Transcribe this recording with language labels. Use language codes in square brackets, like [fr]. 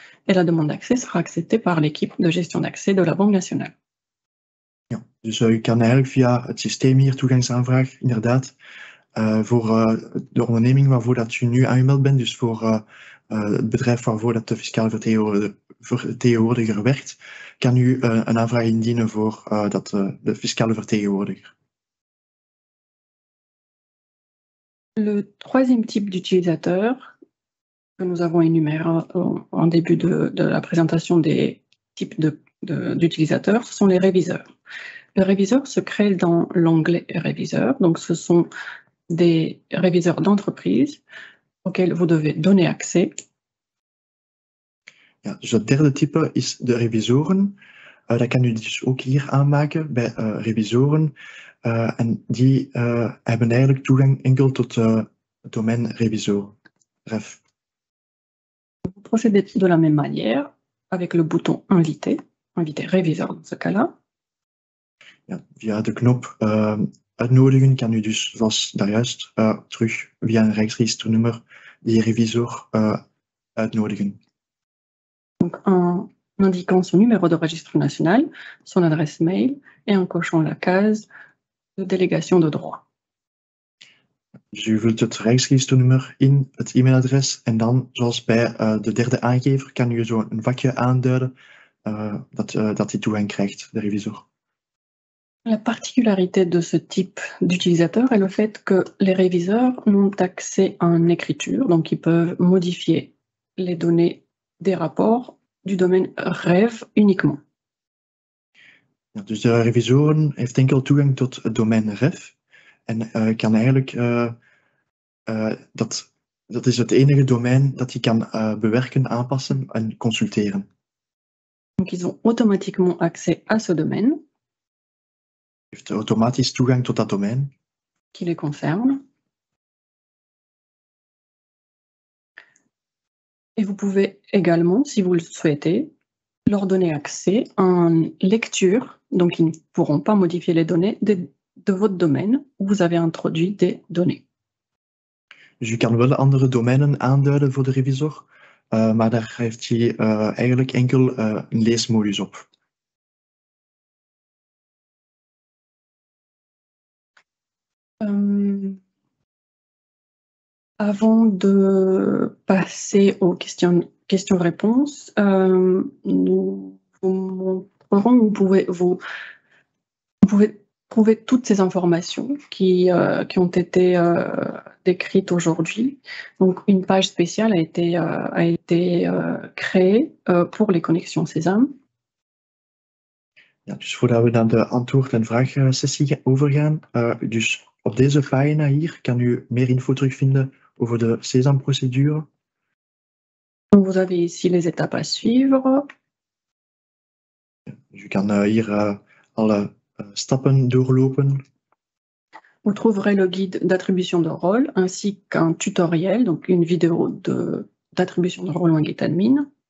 [fr] Et la demande d'accès sera acceptée par l'équipe de gestion d'accès de la Banque nationale. [nl] Dus je kan eigenlijk via het systeem hier toegangsaanvraag, inderdaad, voor de onderneming waarvoor dat je nu aangemeld bent, dus voor het bedrijf waarvoor dat de fiscale vertegenwoordiger werkt, kan u een aanvraag indienen voor de fiscale vertegenwoordiger. [fr] Le troisième type d'utilisateur que nous avons énuméré en début de la présentation des types d'utilisateurs, ce sont les réviseurs. Les réviseurs se créent dans l'onglet Réviseurs, donc ce sont des réviseurs d'entreprise auxquels vous devez donner accès. [nl] Ja, dus het derde type is de revisoren. Dat kan u dus ook hier aanmaken bij revisoren. En die hebben eigenlijk toegang enkel tot het domein revisor. [fr] Bref. Procédez de la même manière avec le bouton inviter réviseur dans ce cas-là. [nl] Ja, via de knop uitnodigen kan u dus, zoals daarjuist, terug via een rijksregisternummer die revisor uitnodigen. [fr] Donc, en indiquant son numéro de registre national, son adresse mail et en cochant la case de délégation de droit. [nl] Dus u vult het rijksregisternummer in, het e-mailadres en dan, zoals bij de derde aangever, kan u zo een vakje aanduiden dat hij toegang krijgt, de revisor. [fr] La particularité de ce type d'utilisateur est le fait que les réviseurs ont accès à une écriture, donc ils peuvent modifier les données des rapports du domaine rêve uniquement. [nl] Ja, dus de revisoren heeft enkel toegang tot het domein REF. En kan eigenlijk dat is het enige domein dat je kan bewerken, aanpassen en consulteren. [fr] Donc ils ont automatiquement accès à ce domaine. [nl] Heeft automatisch toegang tot dat domein. [fr] Qui les concerne. Et vous pouvez également, si vous le souhaitez, leur donner accès à une lecture, donc ils ne pourront pas modifier les données de votre domaine où vous avez introduit des données. [nl] Dus je kan wel andere domeinen aanduiden voor de revisor, maar daar heeft hij eigenlijk enkel een leesmodus op. [fr] Avant de passer aux questions-réponses, nous vous montrerons où vous pouvez trouver toutes ces informations qui ont été décrites aujourd'hui. Donc, une page spéciale a été créée pour les connexions Sésame. [nl] Ja, dus voordat we naar de antwoord- en vraagsessie overgaan, dus op deze pagina hier kan u meer info terugvinden over de sésamprocedure. [fr] Vous avez ici les étapes à suivre. [nl] U kan hier alle stappen doorlopen. [fr] Vous trouverez le guide d'attribution de rôle ainsi qu'un tutoriel, donc une vidéo d'attribution de rôle Wingate Admin.